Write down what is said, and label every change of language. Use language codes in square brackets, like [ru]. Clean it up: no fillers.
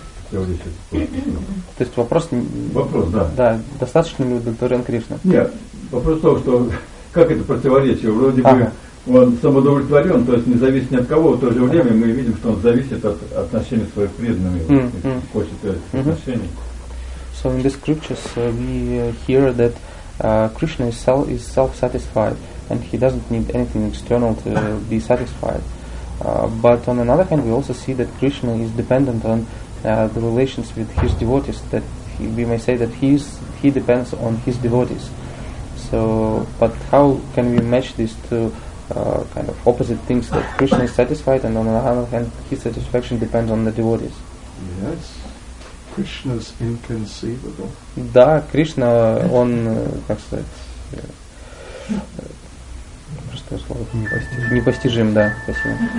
[ru] То есть вопрос... Вопрос, да. Да, достаточно ли удовлетворен Кришна? Нет, вопрос в том, что как это противоречие. Вроде бы он самоудовлетворен, то есть не зависит ни от кого. В то же время мы видим, что он зависит от отношений с своими преданными. Хочет отношений. С [en] So in the scriptures we hear that Krishna is self-satisfied and he doesn't need anything external to be satisfied. But on another hand, we also see that Krishna is dependent on the relations with his devotees, that we may say that he depends on his devotees. So, but how can we match these two kind of opposite things, that Krishna is satisfied and on the other hand his satisfaction depends on the devotees? Yes, Krishna's inconceivable. [ru] Да, Кришна, он, как сказать, простое слово, непостижим, да, спасибо.